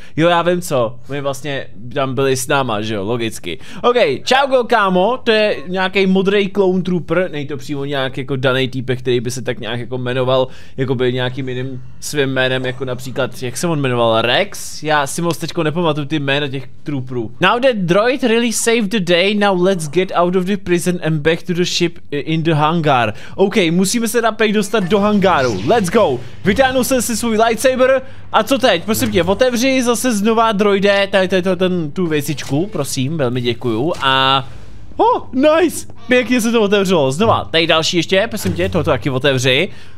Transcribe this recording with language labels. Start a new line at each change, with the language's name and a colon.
Czech: Jo, já vím co, my vlastně tam byli s náma, že jo, logicky. Okej, čau go kámo, to je nějaký modrý clone trooper, nej to přímo nějak jako daný týpek, který by se tak nějak jako jmenoval, jako by nějakým jiným svým jménem, jako například, jak se on jmenoval, Rex? Já si moc teďko nepamatuju ty jména těch trooperů.
English: Now the droid really saved the day, now let's get out of the prison and back to the ship in the hangar.
Czech: Okej, musíme se napej dostat do hangáru,
English: let's go.
Czech: Vytáhnul jsem si svůj lightsaber, a co teď, prosím tě, otevři zase znova droide, tu věcičku, prosím, velmi děkuju, a... Oh, nice, pěkně se to otevřelo, znova, tady další ještě, prosím tě, tohoto taky otevři.